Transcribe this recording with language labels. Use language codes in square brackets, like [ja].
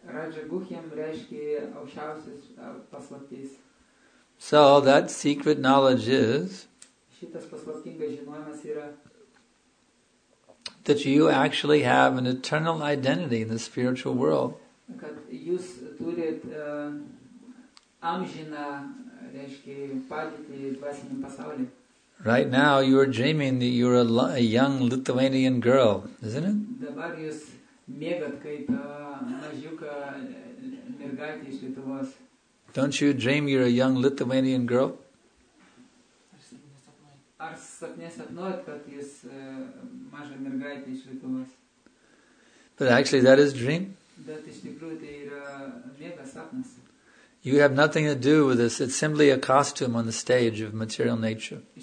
[lt] Rajaguhyam reiškia aukščiausias paslaptis. [en] So that secret knowledge is [lt] šitas paslaptingas žinojimas yra [en] that you actually have an eternal identity in the spiritual world. [lt] Kad jūs turit amžiną, reiškia, padėtį dvasiniam pasaulį. [en] Right now you are dreaming that you're a young Lithuanian girl, isn't it? [lt] Dabar jūs mėgat kaip mažiuką mergaitė iš Lietuvos. [en] Don't you dream you're a young Lithuanian girl? [lt] Ar sapne sapnuojat, kad jūs maža mergaitė iš Lietuvos? [en] But actually that is a dream. [lt] Bet iš tikrųjų tai yra mega sapnas. [en] You have nothing to do with this. It's simply a costume on the stage of material nature.